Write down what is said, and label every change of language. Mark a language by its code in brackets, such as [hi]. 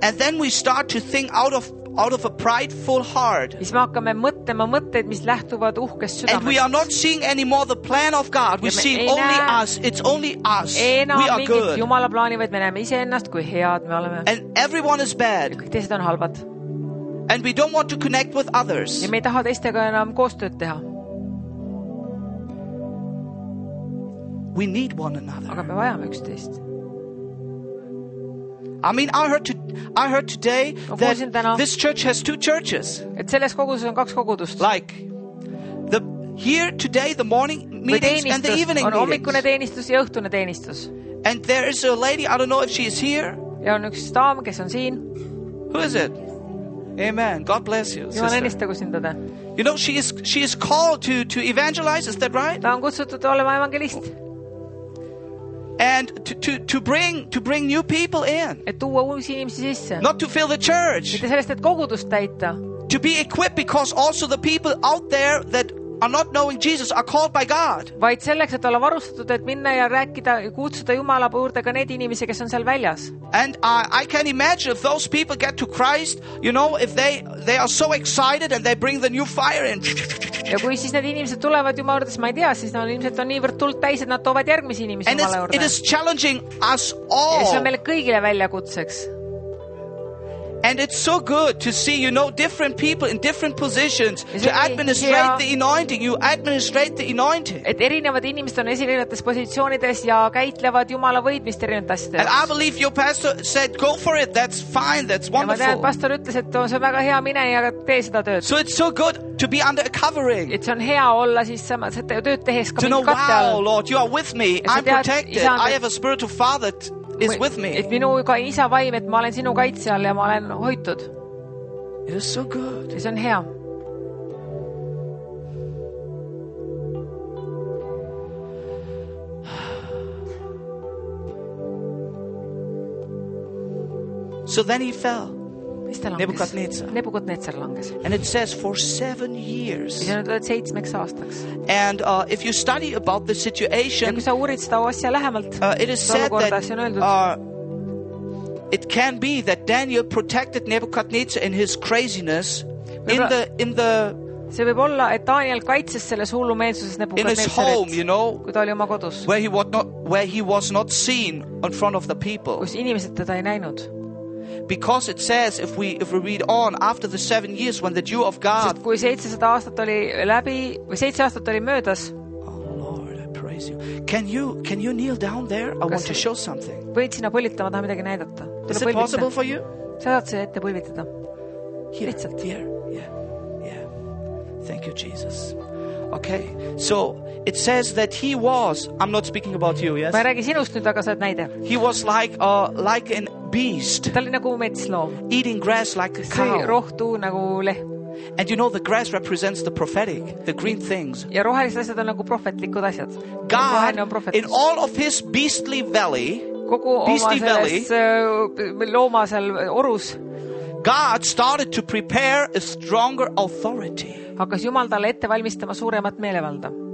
[en] And then we start to think out of a prideful heart. [et] Siis me hakkame mõtlema mõtteid, mis lähtuvad uhkest südamest. [en] And we are not seeing anymore the plan of God. We see only us. It's only us. We are good. [et] Jumala plaani, vaid me näeme ise ennast, kui head me oleme. [en] And everyone is bad. [et] Ja kõik teised on halvad. [en] And we don't want to connect with others. [et] Ja me ei taha teistega enam koostööd teha. [en] We need one another. [et] Aga me vajame üksteist. [en] I mean, I heard today that this church has two churches. [et] Et selles koguses on kaks kogudust. [en] Like the here today, the morning meetings and the evening meetings. [et] On hommikune teenistus ja õhtune teenistus. [en] And there is a lady, I don't know if she is here. [et] Ja on üks daam, kes on siin. [en] Who is it? Amen. God bless you, sister. [et] Jumal õnnistagu sind teda. [en] You know, she is called to evangelize, is that right? [et] Ta on kutsutud olema evangelist. [en] And to bring new people in. [et] Et tuua uusi inimesi sisse. [en] Not to fill the church. [et] Mitte sellest, et kogudust täita. [en] To be equipped because also the people out there that are not knowing Jesus are called by God. [et] Vaid selleks, et olla varustatud, et minna ja rääkida, kutsuda Jumala juurde ka need inimesi, kes on seal väljas. [en] And I can imagine if those people get to Christ, you know, if they are so excited and they bring the new fire in. [et] Ja kui siis need inimesed tulevad Jumala juurde, ma ei tea, siis nad on ilmselt on niivõrd tult täis, et nad toovad järgmisi inimesi Jumala juurde. [en] And it is challenging us all. [et] Ja see on meile kõigile väljakutseks. [en] And it's so good to see, you know, different people in different positions to administrate the anointing. You administrate the anointing. [et] Et erinevad inimesed on esilinates positsioonides ja käitlevad Jumala võidmist erinevates asjades. [en] And I believe your pastor said, go for it, that's fine, that's wonderful. [et] Ja ma tean, pastor ütles, et on see väga hea mine ja tee seda tööd. [en] So it's so good to be under a covering. [et] Et see on hea olla siis seda tööd tehes ka mingi katte all. [en] To know, wow, Lord, you are with me, I'm protected, I have a spiritual father is with me. [et] Et minu ka isa vaim, et ma olen sinu kaitse all ja ma olen hoitud. [en] It is so good. [et] See on hea. [en] So then he fell. [et] Nebukadnetzar langes. [en] And it says for 7 years. [et] Ja nüüd oled seitsmeks aastaks. [en] And if you study about the situation, [et] ja kui sa uurid seda asja lähemalt, [en] it is said that it can be that Daniel protected Nebukadnetzar in his craziness in the [et] See võib olla, et Daniel kaitses selles hullumeelsuses Nebukadnetzarit, kui ta oli oma kodus. [en] Where he was not seen in front of the people. [et] Kus inimesed teda ei näinud. [en] Because it says if we read on after the 7 years when the Jew of God [et] kui 700 aastat oli läbi või 7 aastat oli möödas. [en] Oh Lord, I praise you. Can you kneel down there? I want to show something. [et] Võid sinna põlitama, tahan midagi näidata. [en] Is it possible for you? [et] Saad sa ette põlvitada. [en] Here. Thank you, Jesus. Okay. So it says that he was, I'm not speaking about you, yes? [et] Ma ei räägi sinust nüüd, aga sa oled näide. [en] He was like an beast. [et] Ta oli nagu metsloom. [en] Eating grass like a cow. [et] See rohtu nagu lehm. [en] And you know the grass represents the prophetic, the green things. [et] Ja rohelised asjad on nagu prohvetlikud asjad. [en] God, in all of his beastly valley, [et] kogu beastly oma selles loomasel orus, [en] God started to prepare a stronger authority. [et] Hakkas Jumal talle ette valmistama suuremat meelevalda.